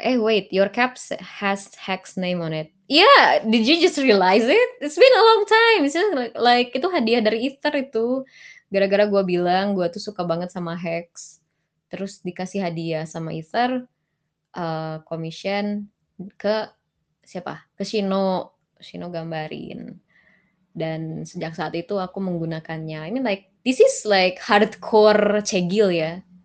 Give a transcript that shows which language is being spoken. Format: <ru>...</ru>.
<en>Eh wait, your caps has hex name on it. Yeah, did you just realize it? It's been a long time. It's just like</en> <id>itu hadiah dari Ether itu. Gara-gara gue bilang gue tuh suka banget sama hex. Terus dikasih hadiah sama Ether, commission ke siapa? Ke Shino. Shino gambarin. Dan sejak saat itu aku menggunakannya.</id> <en>I mean like, this is like hardcore cegil ya.</en>